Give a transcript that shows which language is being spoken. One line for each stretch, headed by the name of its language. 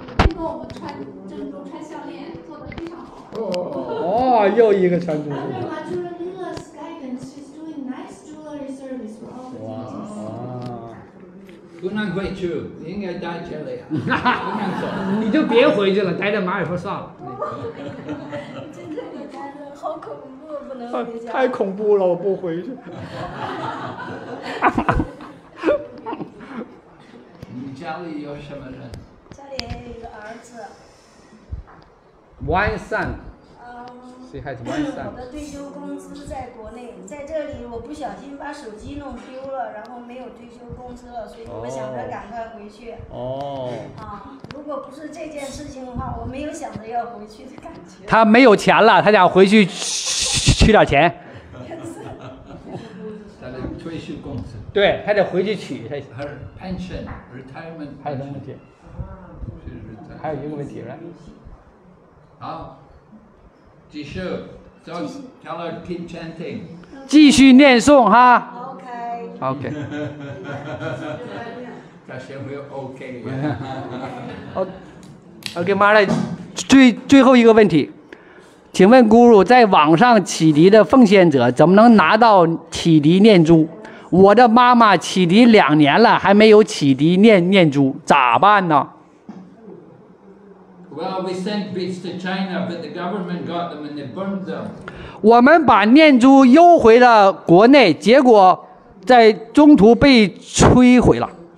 Chinese: 今天我们穿珍珠，穿项链，做得非常好。哦，又一个穿珠。
English: Under Madhura Lila's guidance, she's doing nice jewelry service for all the devotees.
Chinese: 不能回去，你应该待这里啊。你就别回去了，待在马尔福算了。在这里待着好恐怖，不能回家。太恐怖了，我不回去。你家里有什么人？家里有个儿子。
English: One son。
Chinese: 谁还是
English: One son？
Chinese: 我的退休工资在国内，在这里我不小心把手机弄丢了，然后没有退休工资了，所以我想着赶快回去。哦。啊，如果不是这件事情的话，我没有想着要回去的感觉。他没有钱了，他想回去取点钱。他的退休工资。对，他得回去取他。
English: Her pension, retirement.
Chinese: 还有什么问题？还有一个问题来。好。继续
English: ，So tell her keep chanting。
Chinese: 继续念诵哈。
English: OK。 OK。
Chinese: 他先会 OK。 OK， 妈的，最后一个问题，请问 Guru 在网上启迪的奉献者怎么能拿到启迪念珠？我的妈妈启迪两年了，还没有启迪念珠，咋办呢？
English: Well, we sent beads to China, but the government got them and they burned them.
Chinese: 我们把念珠邮回了国内，结果在中途被摧毁了。